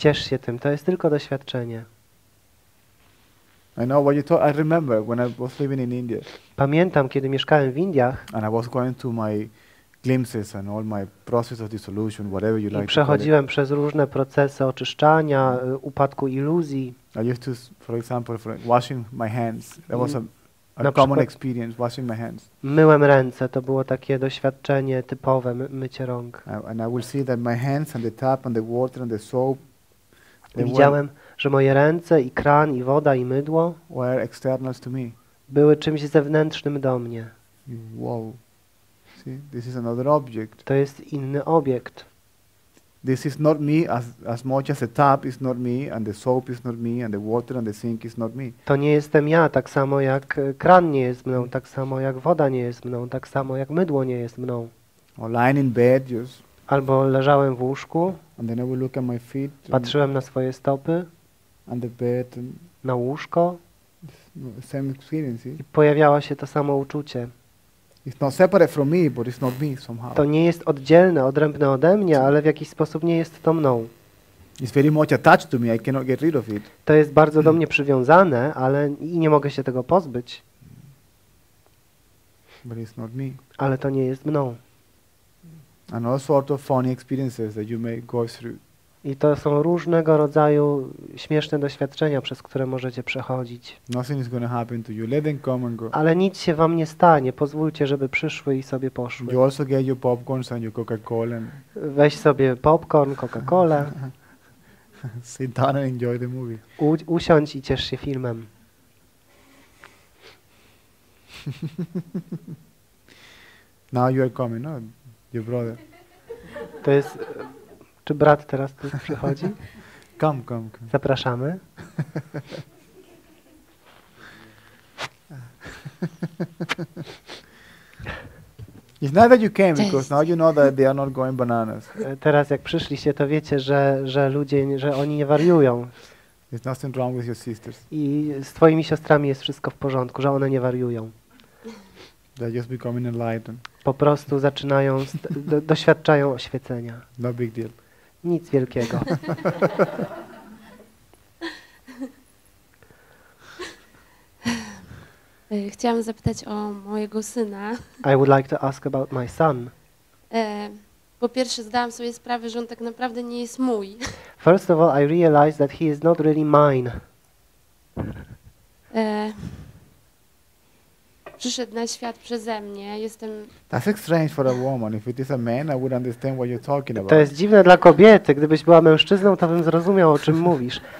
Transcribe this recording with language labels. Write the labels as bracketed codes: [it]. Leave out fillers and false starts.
[pl] Ciesz się tym, to jest tylko doświadczenie. [en] I know what you thought. I remember when I was living in India. [pl] Pamiętam, kiedy mieszkałem w Indiach. [en] And I was going through my glimpses and all my process of dissolution, whatever you I like. [pl] I przechodziłem przez różne procesy oczyszczania, upadku iluzji. [en] I used to, for example, for washing my hands. That was a common experience, washing my hands. [pl] Myłem ręce, to było takie doświadczenie typowe, mycie rąk. [en] And I will see that my hands and the tap and the water and the soap. [pl] Widziałem, że moje ręce i kran i woda i mydło [en] were external to me. [pl] Były czymś zewnętrznym do mnie. [en] Wow. See, this is another object. [pl] To jest inny obiekt. [en] This is not me as much as the tap is not me and the soap is not me and the water and the sink is not me. [pl] To nie jestem ja, tak samo jak kran nie jest mną, tak samo jak woda nie jest mną, tak samo jak mydło nie jest mną. [en] Or lying in bed, just. [pl] Albo leżałem w łóżku. [en] And then I will look at my feet. [pl] Patrzyłem na swoje stopy. [en] And the bed. And [pl] na łóżko. [en] Same experience. [pl] I pojawiało się to samo uczucie. [en] It's not separate from me, but it's not me somehow. [pl] To nie jest oddzielne, odrębne ode mnie, ale w jakiś sposób nie jest to mną. [en] It's very much attached to me. I cannot get rid of it. [pl] To jest bardzo do mnie przywiązane, ale i nie mogę się tego pozbyć. [en] But it's not me. [pl] Ale to nie jest mną. [en] And all sort of funny experiences that you may go through. [pl] I to są różnego rodzaju śmieszne doświadczenia, przez które możecie przechodzić. [en] Nothing is gonna happen to you. Let them come and go. [pl] Ale nic się wam nie stanie. Pozwólcie, żeby przyszły i sobie poszły. [en] You also get your popcorns and your Coca-Cola. [pl] Weź sobie popcorn, Coca-Cola. [en] Sit down and enjoy the movie. [pl] Usiądź i ciesz się filmem. [en] Now you are coming, no? Your brother. [pl] To jest. Czy brat teraz tu przychodzi? [en] Come. [pl] Zapraszamy. [en] It's not that you came, because now you know that they are not going bananas. [pl] Teraz jak przyszliście, to wiecie, że ludzie, że oni nie wariują. [en] There's nothing wrong with your sisters. [pl] I z twoimi siostrami jest wszystko w porządku, że one nie wariują. [en] They're just becoming enlightened. [pl] Po prostu zaczynają, doświadczają oświecenia. [en] No big deal. [pl] Nic wielkiego. Chciałam zapytać o mojego syna. [en] I would like to ask about my son. [pl] Po pierwsze zdałam sobie sprawę, że on tak naprawdę nie jest mój. [en] First of all, I realized that he is not really mine. [pl] Przyszedł na świat przeze mnie. Jestem. [en] That's strange for a woman. If it is a man, I would understand what you're talking about. [pl] To jest dziwne dla kobiety. Gdybyś była mężczyzną, to bym zrozumiał, o czym mówisz.